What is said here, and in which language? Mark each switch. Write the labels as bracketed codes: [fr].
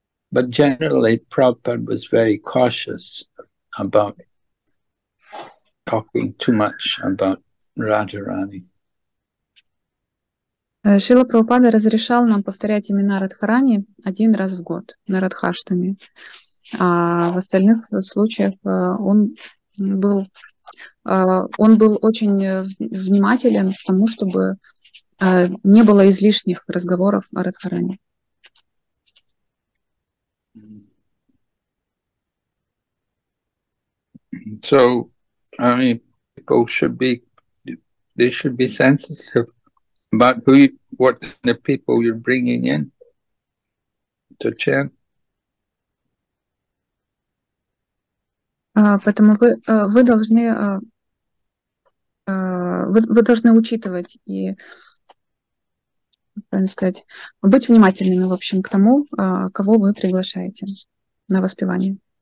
[en] But generally, Prabhupada was very cautious about talking too much about Radharani. [ru] Шрила Прабхупада разрешал нам повторять имена Радхарани один раз в год на Радхаштами. А в остальных случаях он был очень внимателен к тому, чтобы не было излишних разговоров о Радхарани. [en] So, I mean, people should be sensitive about what the people you're bringing in to chant. [ru] Поэтому вы должны учитывать и, правильно сказать, быть внимательными, в общем, к тому, кого вы приглашаете на воспевание.